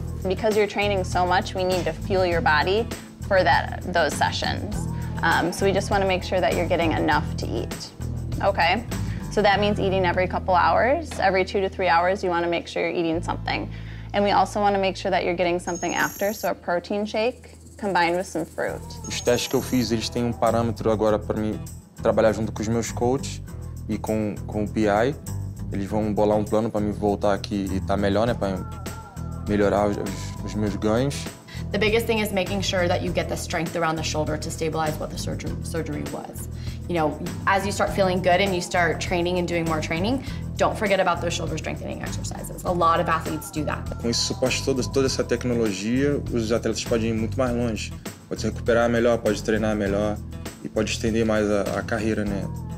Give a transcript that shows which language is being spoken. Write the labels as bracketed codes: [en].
[en] Because you're training so much, we need to fuel your body for those sessions. So we just want to make sure that you're getting enough to eat. Okay, so that means eating every couple hours. Every 2 to 3 hours, you want to make sure you're eating something. And we also want to make sure that you're getting something after, so a protein shake combined with some fruit. [pt] Os testes que eu fiz, eles têm parâmetro agora para mim trabalhar junto com os meus coaches e com o PI. Eles vão bolar plano para mim voltar aqui e estar melhor, né? Para melhorar os meus ganhos. [en] The biggest thing is making sure that you get the strength around the shoulder to stabilize what the surgery was. You know, as you start feeling good and you start training and doing more training, don't forget about those shoulder strengthening exercises. A lot of athletes do that. [pt] Com esse suporte, toda essa tecnologia, os atletas podem ir muito mais longe. Pode se recuperar melhor, pode treinar melhor e pode estender mais a carreira, né?